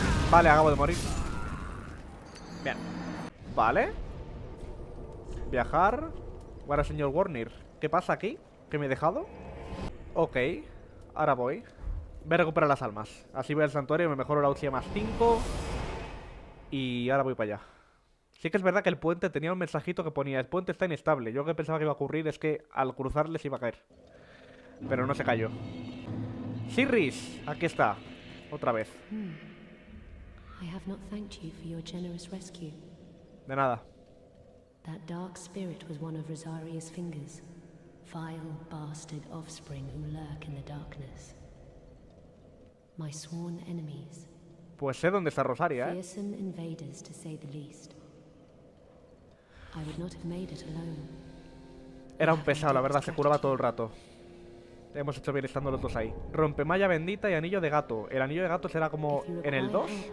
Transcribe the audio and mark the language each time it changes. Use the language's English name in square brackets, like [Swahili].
[Spanish] Vale, acabo de morir. Bien. Vale. Viajar. Guarda, señor Warner. ¿Qué pasa aquí? ¿Qué me he dejado? Ok. Ahora voy. Voy a recuperar las almas. Así voy al santuario. Me mejoro la Uchiha más 5. Y ahora voy para allá. Sí que es verdad que el puente tenía un mensajito que ponía: el puente está inestable. Yo lo que pensaba que iba a ocurrir es que al cruzarles iba a caer. Pero no se cayó. Sirris, aquí está. Otra vez. [English] I have not thanked you for your generous rescue. [Spanish] De nada. [English] That dark spirit was one of Rosaria's fingers. Vile bastard offspring who lurk in the darkness. My sworn enemies. [Spanish] Pues sé dónde está Rosaria, ¿eh? [English] Fearsome invaders, to say the least. I would not have made it alone. [Spanish] Era un pesado, la verdad, se curaba todo el rato. Hemos hecho bien estando los dos ahí. Rompemalla bendita y anillo de gato. ¿El anillo de gato será como en el 2?